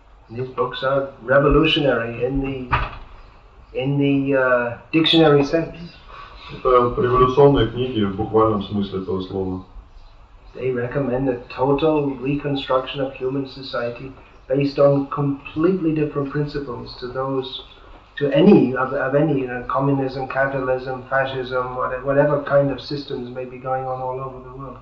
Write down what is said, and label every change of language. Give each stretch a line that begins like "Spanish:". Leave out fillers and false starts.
English: These books are revolutionary in the dictionary sense.
Russian: Это революционные книги в буквальном смысле этого слова.
English: They recommend a total reconstruction of human society based on completely different principles to those, to any of any, you know, communism, capitalism, fascism, whatever kind of systems may be going on all over the world.